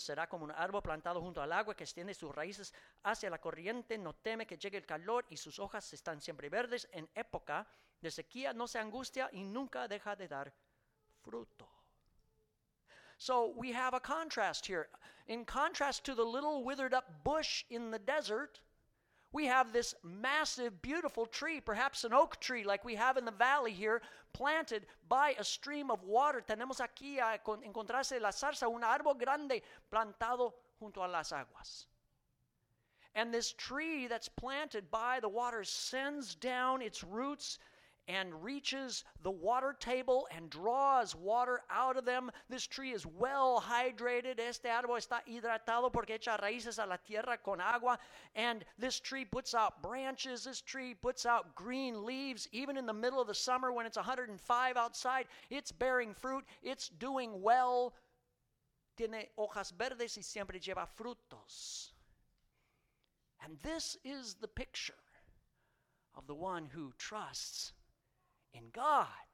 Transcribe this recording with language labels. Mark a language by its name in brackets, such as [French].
[Spanish] Será como un árbol plantado junto al agua que extiende sus raíces hacia la corriente. No teme que llegue el calor y sus hojas están siempre verdes. En época de sequía no se angustia y nunca deja de dar fruto. [English] So we have a contrast here. In contrast to the little withered up bush in the desert, we have this massive, beautiful tree, perhaps an oak tree like we have in the valley here, planted by a stream of water. [Spanish] Tenemos aquí a encontrarse la zarza, un árbol grande plantado junto a las aguas. [English] And this tree that's planted by the water sends down its roots and reaches the water table and draws water out of them. This tree is well hydrated. [Spanish] Este árbol está hidratado porque echa raíces a la tierra con agua. [English] And this tree puts out branches. This tree puts out green leaves. Even in the middle of the summer when it's 105 outside, it's bearing fruit. It's doing well. [Spanish] Tiene hojas verdes y siempre lleva frutos. [English] And this is the picture of the one who trusts in God.